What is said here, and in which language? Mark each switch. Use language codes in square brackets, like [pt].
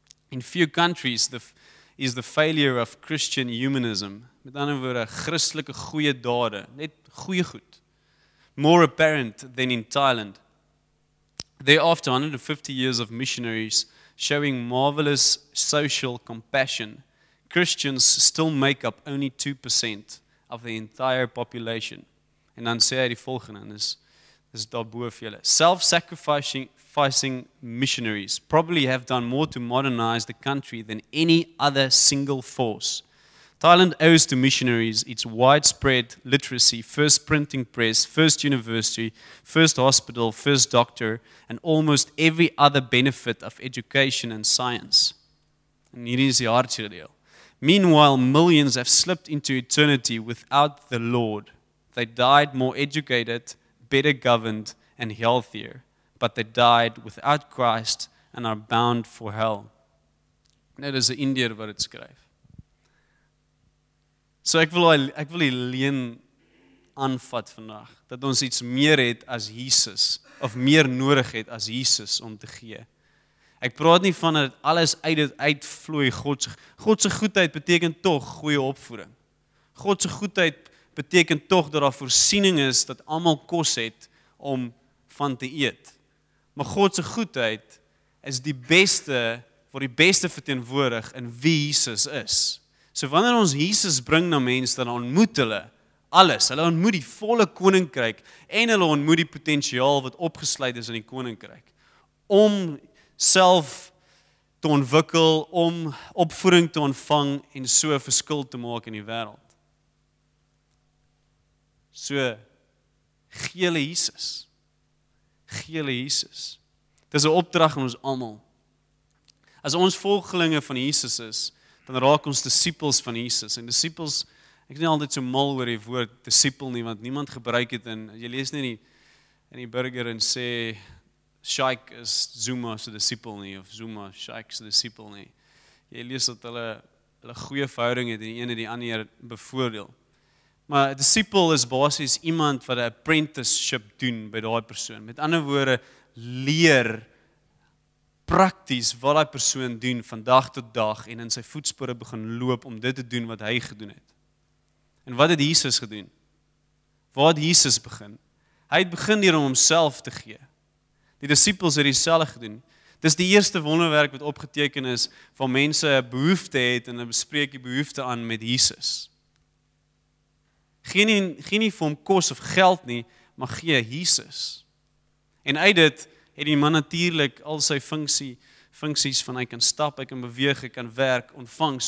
[en] In few countries is the failure of Christian humanism, [af] met ander woorde, Christelike goeie dade, net goeie goed, [en] more apparent than in Thailand. Thereafter, 150 years of missionaries showing marvelous social compassion, Christians still make up only 2% of the entire population. [af] En dan sê hy die volgende, en dis daarbo vir julle. [en] Self-sacrificing missionaries probably have done more to modernize the country than any other single force. Thailand owes to missionaries its widespread literacy, first printing press, first university, first hospital, first doctor, and almost every other benefit of education and science. And here is the [af] hartseer deel. [en] Meanwhile, millions have slipped into eternity without the Lord. They died more educated, better governed, and healthier. But they died without Christ and are bound for hell. [af] Net is 'n Indiër wat dit skryf. So ek wil die leen aanvat vandag, dat ons iets meer het as Jesus, of meer nodig het as Jesus om te gee. Ek praat nie van dat alles uitvloei, Godse goedheid beteken tog goeie opvoeding. Godse goedheid beteken tog dat daar voorsiening is, dat almal kos het om van te eet. Maar Godse goedheid is die beste, word die beste verteenwoordig in wie Jesus is. So wanneer ons Jesus bring na mense, dan ontmoet hulle alles. Hulle ontmoet die volle koninkryk en hulle ontmoet die potensiaal wat opgesluit is in die koninkryk. Om self te ontwikkel, om opvoeding te ontvang en so 'n verskil te maak in die wêreld. So, gee hulle Jesus. Gee hulle Jesus. Dis 'n opdrag aan ons almal. As ons volgelinge van Jesus is, dan raak ons disippels van Jesus. En disippels, ek is nie altyd so mal oor die woord disippel nie, want niemand gebruik het en jy lees nie in die burger en sê, Shaik is Zuma se disippel nie, of Zuma, Shaik se disippel nie. Jy lees dat hulle goeie verhouding het en die ene die ander bevoordeel. Maar disippel is basies iemand wat 'n apprenticeship doen by daai persoon. Met ander woorde, leer prakties wat daai persoon doen van dag tot dag en in sy voetspore begin loop om dit te doen wat hy gedoen het. En wat het Jesus gedoen? Waar het Jesus begin? Hy het begin deur om homself te gee. Die disippels het dieselfde gedoen. Dis die eerste wonderwerk wat opgeteken is van mense 'n behoefte het en hulle bespreek die behoefte aan met Jesus. Geen nie vir hom kos of geld nie, maar gee Jesus. En uit dit het die man natuurlik al sy funksies van hy kan stap, hy kan beweeg, hy kan werk, ontvang.